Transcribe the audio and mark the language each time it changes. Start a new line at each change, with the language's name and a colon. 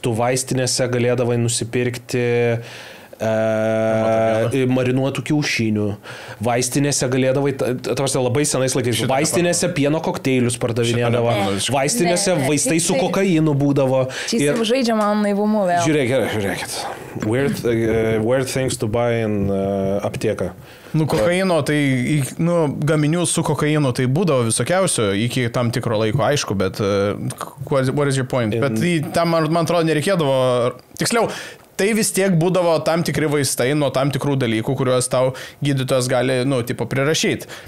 Lithuanian: Tu vaistinėse galėdavai nusipirkti marinuotų kiaušinių. Vaistinėse galėdavai, labai senais laikais, vaistinėse pieno kokteilius pardavinėdavo. Vaistinėse vaistai su kokainu būdavo. Čia jis žaidžia man naivumu vėl. Žiūrėkit.
English: Weird things to buy in apteka.
Lithuanian: Nu, kokaino, tai, nu, gaminių su kokainu, tai būdavo visokiausio iki tam tikro laiko, aišku, bet
English: what is your point?
Lithuanian: Bet tai, tam, man atrodo, nereikėdavo, tiksliau, tai vis tiek būdavo tam tikri vaistai nuo tam tikrų dalykų, kuriuos tau gydytojas gali, nu, tipo, prirašyti.